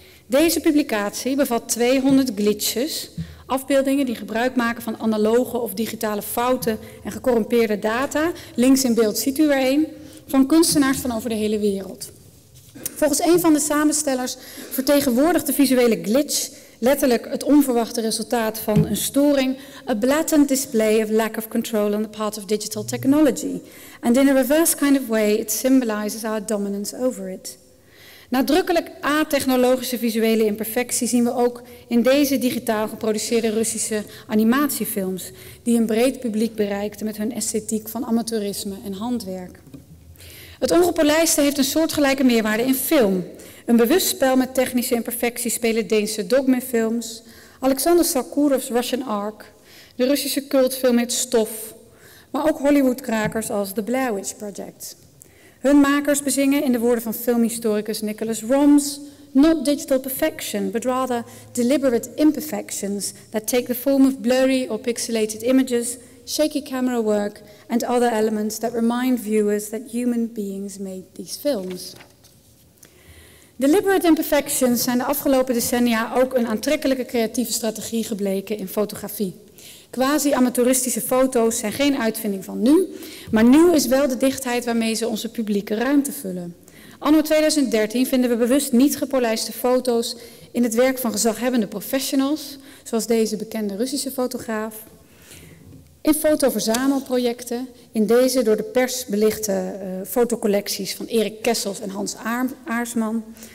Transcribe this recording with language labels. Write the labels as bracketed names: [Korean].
[Dutch] Deze publicatie bevat 200 glitches, afbeeldingen die gebruik maken van analoge of digitale fouten en gecorrumpeerde data, links in beeld ziet u er een, van kunstenaars van over de hele wereld. Volgens een van de samenstellers vertegenwoordigt de visuele glitch, letterlijk het onverwachte resultaat van een storing, [English] a blatant display of lack of control on the part of digital technology. And in a reverse kind of way, it symbolizes our dominance over it. [Dutch] Nadrukkelijk a-technologische visuele imperfectie zien we ook in deze digitaal geproduceerde Russische animatiefilms, die een breed publiek bereikten met hun esthetiek van amateurisme en handwerk. Het ongepolijste heeft een soortgelijke meerwaarde in film. Een bewust spel met technische imperfectie spelen Deense dogmefilms, Alexander Sakurov's Russian Ark, de Russische cultfilm Het Stof, maar ook Hollywoodkrakers als The Blair Witch Project. Hun makers bezingen, in de woorden van filmhistoricus Nicholas Roms, [English] not digital perfection, but rather deliberate imperfections that take the form of blurry or pixelated images, shaky camera work, and other elements that remind viewers that human beings made these films. Deliberate imperfections [Dutch] zijn de afgelopen decennia ook een aantrekkelijke creatieve strategie gebleken in fotografie. Quasi-amateuristische foto's zijn geen uitvinding van nu, maar nieuw is wel de dichtheid waarmee ze onze publieke ruimte vullen. Anno 2013 vinden we bewust niet gepolijste foto's in het werk van gezaghebbende professionals, zoals deze bekende Russische fotograaf, in fotoverzamelprojecten, in deze door de pers belichte fotocollecties van Erik Kessels en Hans Aarsman.